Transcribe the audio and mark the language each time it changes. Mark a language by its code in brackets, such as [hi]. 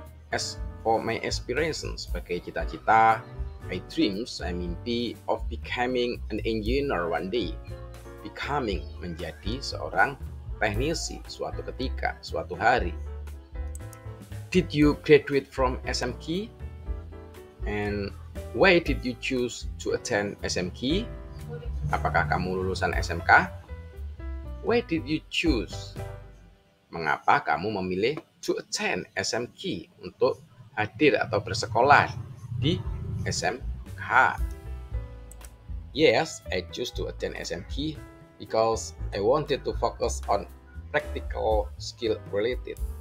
[en] As for my aspirations, [id] sebagai cita-cita, [en] I dreams, I mimpi of becoming an engineer one day. [id] Becoming, menjadi seorang teknisi suatu ketika, suatu hari. [en] Did you graduate from SMK? And why did you choose to attend SMK? [id] Apakah kamu lulusan SMK? [en] Why did you choose? [id] Mengapa kamu memilih [en] to attend SMK, [id] untuk hadir atau bersekolah di SMK? [en] Yes, I choose to attend SMK because I wanted to focus on practical skill related.